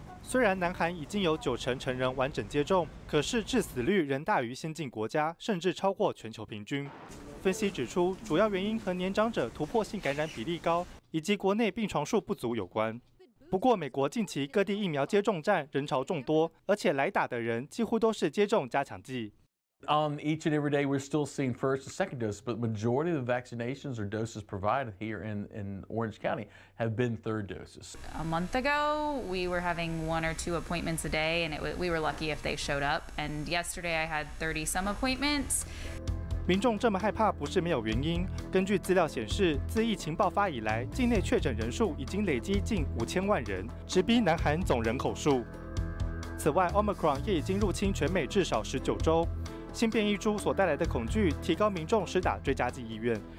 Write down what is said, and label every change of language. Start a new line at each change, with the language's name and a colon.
Chinese: 虽然南韩已经有90%成人完整接种，可是致死率仍大于先进国家，甚至超过全球平均。分析指出，主要原因和年长者突破性感染比例高，以及国内病床数不足有关。不过，美国近期各地疫苗接种站人潮众多，而且来打的人几乎都是接种加强剂。
English: Each and every day, we're still seeing first and second dose, but majority of the vaccinations or doses provided here in Orange County have been third doses. A month ago, we were having one or two appointments a day, and we were lucky if they showed up. And yesterday, I had 30 some appointments.
Chinese: 民众这么害怕不是没有原因。根据资料显示，自疫情爆发以来，境内确诊人数已经累积近5000万人，直逼南韩总人口数。此外 ，Omicron 也已经入侵全美至少19周。新变异株所带来的恐惧，提高民众施打追加剂意愿。